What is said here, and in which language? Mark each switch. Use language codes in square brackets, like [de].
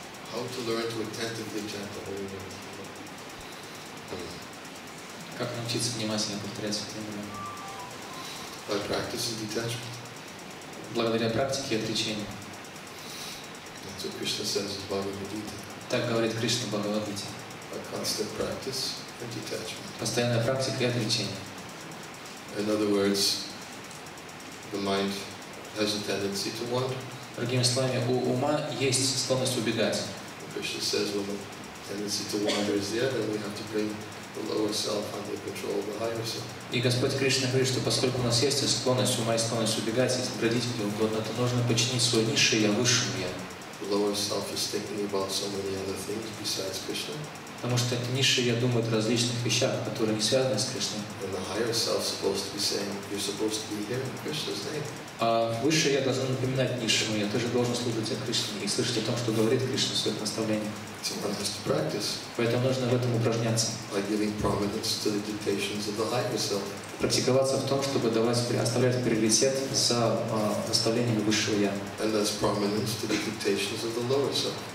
[en] How to learn to attentively chant the holy name? [ru] Как научиться внимательно повторять святые имена? [en] By practicing detachment. [ru] Благодаря практике и отречению. [en] That's what Krishna says in Bhagavad Gita. [ru] Так говорит Кришна в Бхагавад Гите. [en] By constant practice and detachment. [ru] Постоянная практика и отречение. [en] In other words, the mind has a tendency to wander. [ru] Другими словами, у ума есть склонность убегать. [en] Krishna says, well, the tendency to wander is there, then we have to bring the lower self under control of the higher self. [ru] И Господь Кришна говорит, что поскольку у нас есть склонность, ума и склонность убегать, если бродить где угодно, то нужно подчинить свое низшее я высшему я. [en] The lower self is thinking about so many other things besides Krishna. [ru] Потому что это низшее я думает о различных вещах, которые не связаны с Кришной. [en] And the higher self is supposed to be saying, you're supposed to be hearing Krishna's name. [ru] А высшее я должно напоминать низшему, я тоже должен служить о Кришне и слышать о том, что говорит Кришна в своих наставлениях. [en] So practice, [ru] поэтому нужно в этом упражняться. [en] Like giving prominence to the dictations of the higher self. [ru] Практиковаться в том, чтобы давать, оставлять приоритет за наставлениями высшего я. [en] And that's prominence to the dictations of the lower self.